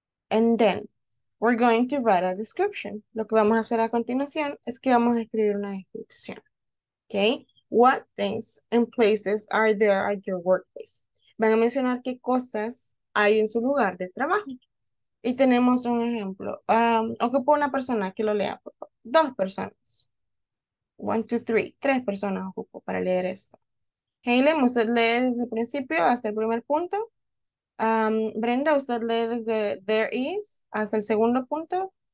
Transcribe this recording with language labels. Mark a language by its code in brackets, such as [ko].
[en] And then, we're going to write a description. [es] Lo que vamos a hacer a continuación es que vamos a escribir una descripción. [en] Okay? What things and places are there at your workplace? [es] Van a mencionar qué cosas hay en su lugar de trabajo. Y tenemos un ejemplo. Ocupo una persona que lo lea. Dos personas. [en] One, two, three. [es] Tres personas ocupo para leer esto. Haylen, usted lee desde el principio hasta el primer punto. Brenda, usted lee desde there is hasta el segundo punto.